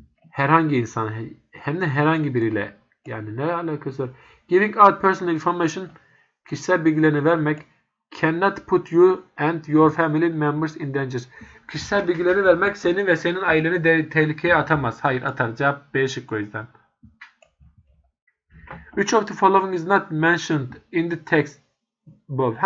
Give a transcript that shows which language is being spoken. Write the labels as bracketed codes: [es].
[tr] Herhangi insan, hem de herhangi biriyle, yani ne alakası var? [en] Giving out personal information, [tr] kişisel bilgilerini vermek, [en] cannot put you and your family members in danger. [tr] Kişisel bilgilerini vermek seni ve senin aileni tehlikeye atamaz. Hayır, atar. Cevap B şıkkı o yüzden. [en] Which of the following is not mentioned in the text above?